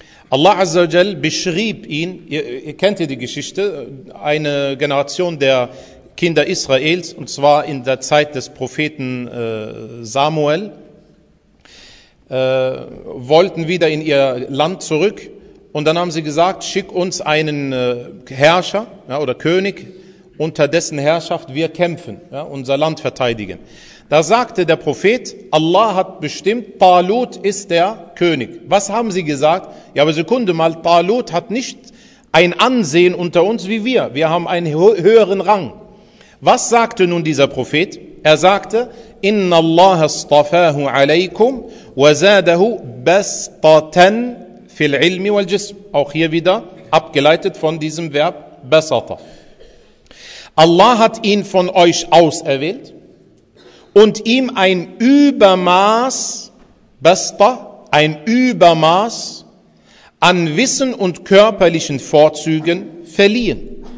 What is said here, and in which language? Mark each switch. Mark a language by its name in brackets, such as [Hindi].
[German] Allah Azza wa Jal beschrieb ihn, ihr kennt ja die Geschichte, eine Generation der Kinder Israels, und zwar in der Zeit des Propheten Samuel, wollten wieder in ihr Land zurück, und dann haben sie gesagt, schick uns einen Herrscher, ja, oder König, unter dessen Herrschaft wir kämpfen, ja, unser Land verteidigen. Da sagte der Prophet, Allah hat bestimmt, Talut ist der König. Was haben sie gesagt? Ja, aber Sekunde mal, Talut hat nicht ein Ansehen unter uns wie wir. Wir haben einen höheren Rang. Was sagte nun dieser Prophet? Er sagte, [Arabic] إِنَّ اللَّهَ اصْطَفَاهُ عَلَيْكُمْ وَزَادَهُ بَسْطَةً فِي الْعِلْمِ وَالْجِسْمِ. [German] Auch hier wieder abgeleitet von diesem Verb بَسَطَة. Allah hat ihn von euch auserwählt und ihm ein Übermaß, بَسْطَة, ein Übermaß an Wissen und körperlichen Vorzügen verliehen.